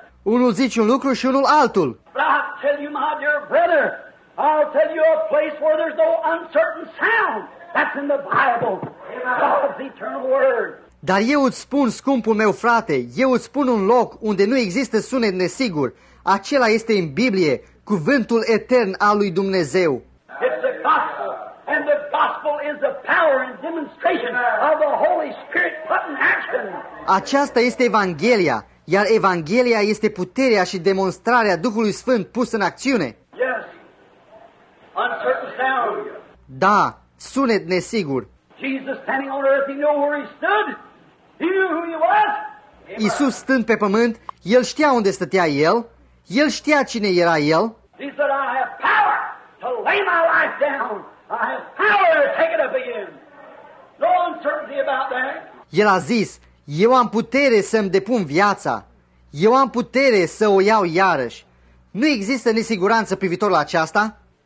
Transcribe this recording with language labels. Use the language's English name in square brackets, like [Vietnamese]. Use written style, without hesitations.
[Romanian] Unul zice un lucru și unul altul. [English] But I'll tell you, my dear brother, I'll tell you a place where there's no uncertain sound. That's in the Bible, God's eternal word. [Romanian] Dar eu îți spun, scumpul meu frate, eu îți spun un loc unde nu există sunet nesigur. Acela este în Biblie, cuvântul etern al lui Dumnezeu. [English] It's the gospel, and the gospel is the power and demonstration of the Holy Spirit put in action. [Romanian] Aceasta este Evanghelia. Iar Evanghelia este puterea și demonstrarea Duhului Sfânt pus în acțiune. [English] Yes. Uncertain sound. [Romanian] Da, sunet nesigur. [English] Jesus standing on earth, he knew where he stood. He knew who he was. [Romanian] Iisus stând pe pământ, el știa unde stătea el. El știa cine era el. [English] He said, I have power to lay my life down. I have power to take it up again. No uncertainty about that. [Romanian] El a zis, eu am putere să-mi depun viața. Eu am putere să o iau iarăși. Nu există nesiguranță privitor la aceasta.